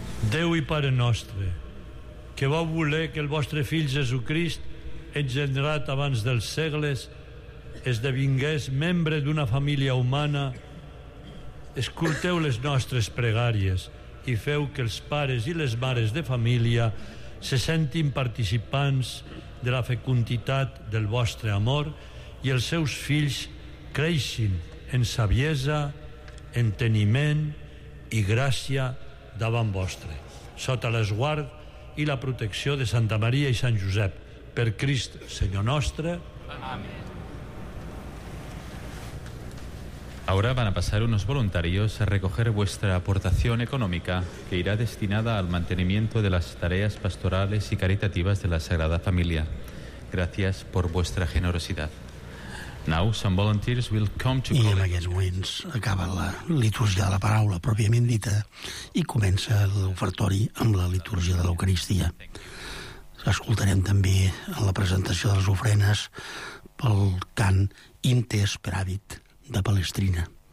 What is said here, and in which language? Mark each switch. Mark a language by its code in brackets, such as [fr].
[ca] Déu i Pare nostre, que vau voler que el vostre fill Jesucrist, engendrat abans dels segles, esdevingués membre d'una família humana, escolteu les nostres pregàries i feu que els pares i les mares de família se sentin participants de la fecunditat del vostre amor i els seus fills creixin en saviesa, enteniment i gràcia davant vostre, sota l'esguard i la protecció de Santa Maria i Sant Josep, per Crist, Senyor nostre. [es] Amén. Ahora van a pasar unos voluntarios a recoger vuestra aportación económica, que irá destinada al mantenimiento de las tareas pastorales y caritativas de la Sagrada Familia. Gracias por vuestra generosidad. [en] Now some volunteers will come to... [ca] I en aquests moments acaba la litúrgia de la paraula pròpiament dita i comença l'ofertori amb la litúrgia de l'Eucaristia. Escoltarem també la presentació de les ofrenes pel cant Intes per Habit de Palestrina.